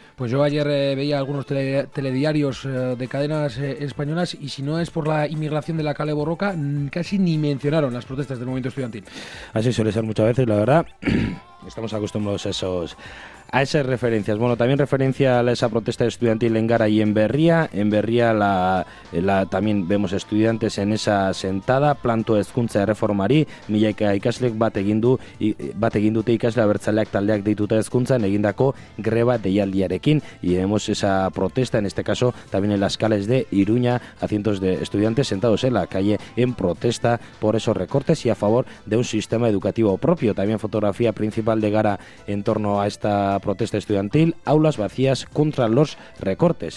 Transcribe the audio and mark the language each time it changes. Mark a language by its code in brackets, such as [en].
[es] Pues yo ayer veía algunos telediarios de cadenas españolas, y si no es por la inmigración de la Kale Borroka, casi ni mencionaron las protestas del movimiento estudiantil. Así suele ser muchas veces, la verdad. Estamos acostumbrados a esas referencias. Bueno, también referencia a esa protesta estudiantil en Gara y en Berria. En Berria también vemos estudiantes en esa sentada. [eu] Plantu ezkuntza erreformari, milaika ikaslek bat egin dute ikasle abertzaleak taldeak deituta ezkuntzan egindako greba deialdiarekin. [es] Y vemos esa protesta, en este caso, también en las calles de Iruña, a cientos de estudiantes sentados en la calle en protesta por esos recortes y a favor de un sistema educativo propio. También fotografía principal de Gara en torno a esta protesta estudiantil, aulas vacías contra los recortes.